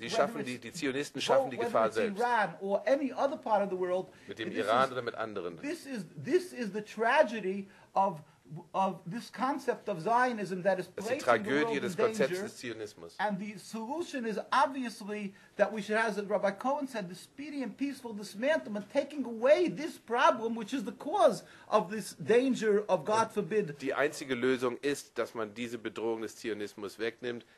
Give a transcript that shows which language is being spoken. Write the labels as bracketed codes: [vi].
[de] Sie schaffen die, die Zionisten schaffen die Gefahr selbst. [en] Iran or any other part of the world, [de] mit dem Iran oder mit anderen. [en] This is the tragedy of this concept of Zionism that is placing the world in danger, and the solution is obviously that we should, as Rabbi Cohen said, the speedy and peaceful dismantlement, taking away this problem, which is the cause of this danger of God forbid. [de] Die einzige Lösung ist, dass man diese Bedrohung des Zionismus wegnimmt.